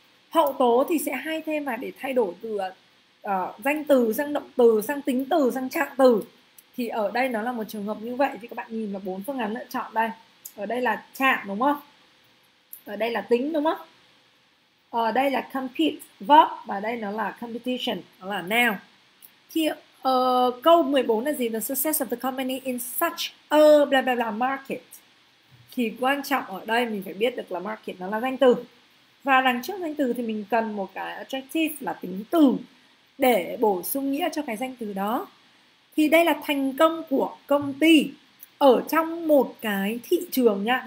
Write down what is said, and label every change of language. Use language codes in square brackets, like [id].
[vi] Hậu tố thì sẽ hay thêm vào để thay đổi từ danh từ sang động từ sang tính từ sang trạng từ. Thì ở đây nó là một trường hợp như vậy, thì các bạn nhìn vào bốn phương án lựa chọn đây. Ở đây là trạng đúng không? Ở đây là tính đúng không? Ở đây là compete verb và đây nó là competition, nó là noun. Thì câu 14 là gì? [en] The success of the company in such a blah blah blah market. [vi] Thì quan trọng ở đây mình phải biết được là market nó là danh từ. Và đằng trước danh từ thì mình cần một cái adjective là tính từ để bổ sung nghĩa cho cái danh từ đó. Thì đây là thành công của công ty ở trong một cái thị trường nha.